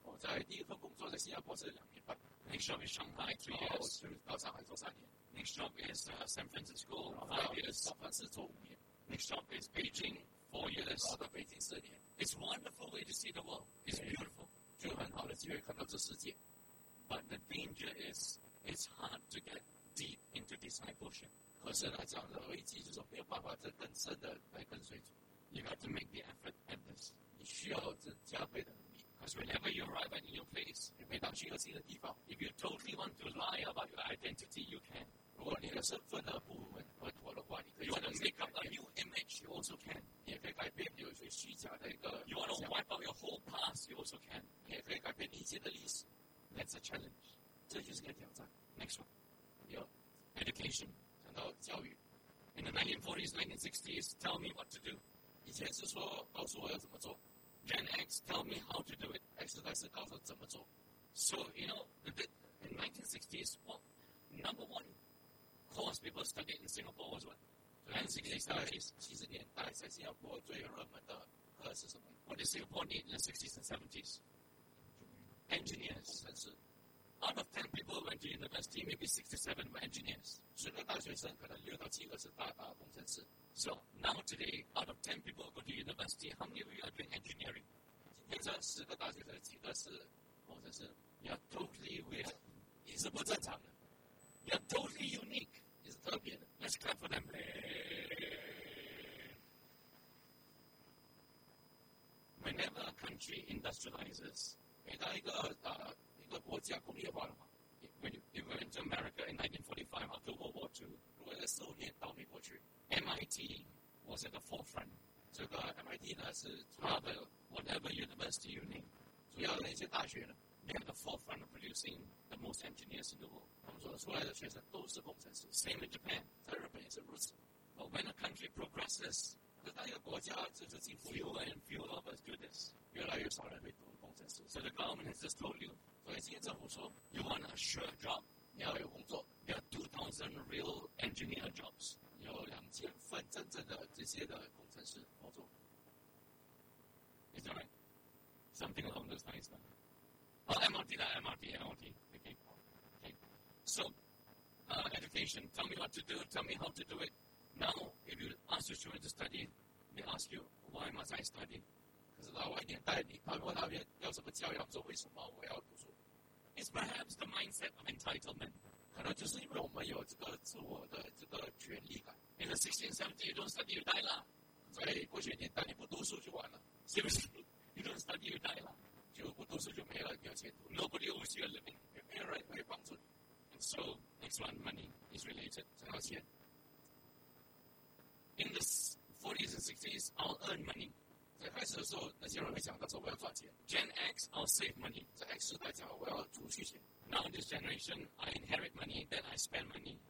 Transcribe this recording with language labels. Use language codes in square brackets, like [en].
[zh] 我在第一份工作在新加坡是2.5年。 [en] Next job is Shanghai, 3 years。 [zh] 去到上海做3年。 [en] Next job is San Francisco, 5 years。 [zh] San Francisco 5年。 [en] Next job is Beijing, 4 years。 [zh] 到北京4年。 [en] It's wonderful way to see the world. It's beautiful. [zh] 就很好的机会看到这世界。 [en] But the danger is, it's hard to get deep into discipleship. [zh] 可是呢，这样的危机就是没有办法再更深的来跟随主。 [en] You have to make the effort at this. [zh] 你需要这加倍的努力。 [en] Because whenever you arrive at a new place, [zh] 你每当去一个新的地方 [en] ，if you totally want to lie about your identity, you can. [zh] 如果你的身份呢不稳妥的话，你可以。 [en] You want to make up a new image, you also can. [zh] 你也可以改变你有些虚假的一个。 [en] You want to wipe out your whole past, you also can. [zh] 你也可以改变你以前的历史。 [en] That's a challenge. [zh] 这就是个挑战。 [en] Next one, your education. [zh] 到教育 [en] ，in the 1940s, 1960s, tell me what to do. [zh] 以前是说告诉我要怎么做 [en] ，Gen X, tell me how to do it. [zh] X 世代是告诉怎么做。 [en] So you know, the bit in 1960s, what number one course people studied in Singapore was what? 1960s, [zh] 七十年代在新加坡最热门的课是什么 [en] ？What did Singapore need in the 60s and 70s? Engineers, [zh] 工程师。 [en] Out of 10 people went to university, maybe 67 were engineers. [zh] 所以大学生可能6-7个是大工程师。 [en] So now today, out of 10 people go to university, how many of you are doing engineering? [zh] 今天这10个大学生几个是工程师 [en] ？You're totally weird. [zh] 你是不正常的。 [en] You're totally unique. [zh] 你是特别的。 [en] Let's clap for them. Whenever a country industrializes, [zh] 每当一个国家工业化了嘛 [en] ？If we went to America in 1945 after World War II， [zh] 如果在1945年到美国去 [en] ，MIT was at the forefront。 [zh] 这个 MIT 呢是它的 [en] whatever university you name， [zh] 主要的那些大学呢 [en] ，they are the forefront of producing the most engineers in the world。 [zh] 他们所出来的学生都是工程师。 [en] Same in Japan， [zh] 在日本也是如此。 [en] But when a country progresses， [zh] 可当一个国家就是进步 [en] ，fewer and fewer of us do this， [zh] 越来越少人会读工程师。 [en] So the government has just told you。 [zh] 所以今天政府说 [en] ，You want a sure job， [zh] 你要有工作 [en] ，You have 2,000 real engineer jobs， [zh] 有2000份真正的这些的工程师工作。 [en] Is that right? Something along those lines, man. Oh, MRT, that MRT, MRT. Okay, okay. So, education. Tell me what to do. Tell me how to do it. Now, if you ask your children to study, they ask you, "Why must I study?" [zh] 可是老外年代，你他问他们要什么教养，说为什么我要读书？ [en] It's perhaps the mindset of entitlement. [zh] 可能就是因为我们有这个自我的这个权利感。 [en] In the 1670s, you don't study, you die. [zh] 所以过去年代你不读书就完了。 [en] Seriously, you don't study, you die. [zh] 就不读书就没了，你要前途。 [en] Nobody owes you a living. Yeah, right, [zh] 没有帮助。 [en] And so, next one, money is related. [zh] 这条线。 [en] In the 40s and 60s, I'll earn money. [zh] 在开始的时候，那些人会讲到说我要赚钱。 [en] Gen X, I'll save money. [zh] 在 X 世代讲我要储蓄钱。 [en] Now this generation, I inherit money, then I spend money.